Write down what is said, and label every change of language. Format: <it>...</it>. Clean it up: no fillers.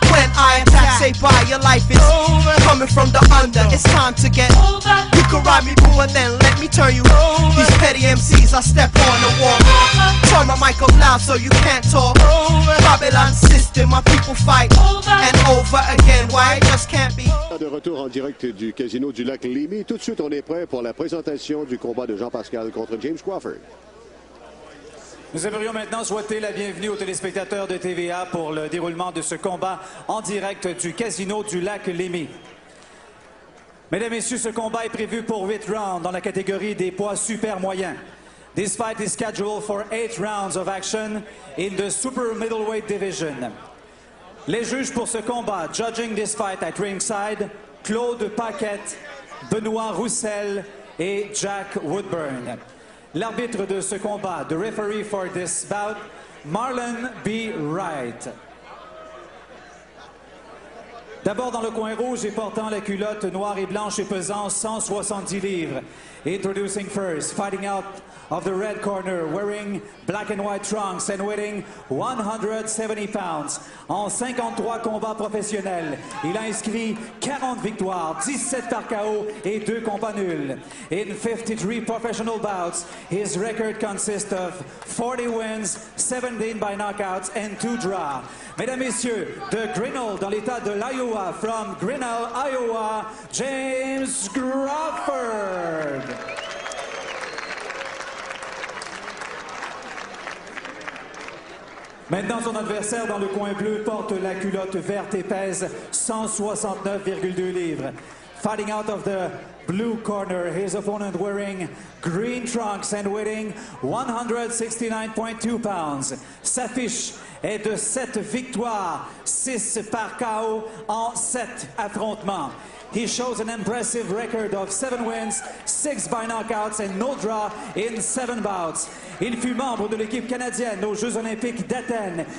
<en>When I attack, say bye, your life is over. Coming from the under, it's time to get over. You can ride me boo and then let me turn you over. These petty MCs, I step on the wall over. Turn my mic up loud so you can't talk over. Babylon system, my people fight over. And over again, why it just can't be.</en> <fr>De retour en direct du casino du lac Limy. Tout de suite, on est prêt pour la présentation du combat de Jean-Pascal contre James Crawford. Nous aimerions maintenant souhaiter la bienvenue aux téléspectateurs de TVA pour le déroulement de ce combat en direct du casino du lac Limy. Mesdames et messieurs, ce combat est prévu pour 8 rounds dans la catégorie des poids super moyens.</fr> <en>This fight is scheduled for 8 rounds of action in the super middleweight division.</en> <fr>Les juges pour ce combat,</fr> <en>judging this fight at ringside,</en> <fr>Claude Paquette, Benoît Roussel et Jack Woodburn. L'arbitre de ce combat,</fr> <en>the referee for this bout, Marlon B. Wright.</en> <fr>D'abord dans le coin rouge et portant la culotte noire et blanche et pesant 170 livres.</fr> <en>Introducing first, fighting out of the red corner, wearing black and white trunks and weighing 170 pounds.</en> <fr>En 53 combats professionnels, il a inscrit 40 victoires, 17 par KO et 2 combats nuls.</fr> <en>In 53 professional bouts, his record consists of 40 wins, 17 by knockouts and 2 draws.</en> <fr>Mesdames, Messieurs, de Grinnell, dans l'état de l'Iowa,</fr> <en>from Grinnell, Iowa,</en> <fr>James Crawford. Maintenant, son adversaire dans le coin bleu porte la culotte verte et pèse 169,2 livres.</fr> <en>Fighting out of the blue corner, his opponent wearing green trunks and weighing 169.2 pounds.</en> <fr>Sa fiche est de 7 victoires, 6 par KO en 7 affrontements.</fr> <en>He shows an impressive record of 7 wins, 6 by knockouts and no draw in 7 bouts.</en> <fr>Il fut membre de l'équipe canadienne aux Jeux olympiques d'Athènes.</fr>